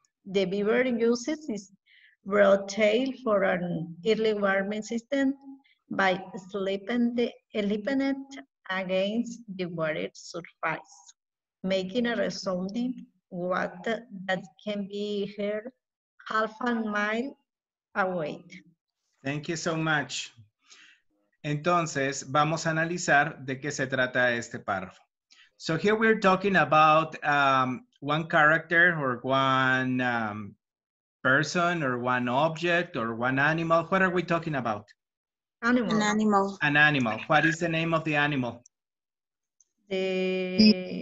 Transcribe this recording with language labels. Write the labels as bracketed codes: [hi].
[en] The beaver uses its broad tail for an early warming system by slipping it against the water surface, making a resounding water that can be heard half a mile away. Thank you so much. [es] Entonces, vamos a analizar de qué se trata este párrafo. [en] So here we're talking about one character or one person or one object or one animal. What are we talking about? Animal. An animal. An animal. What is the name of the animal? The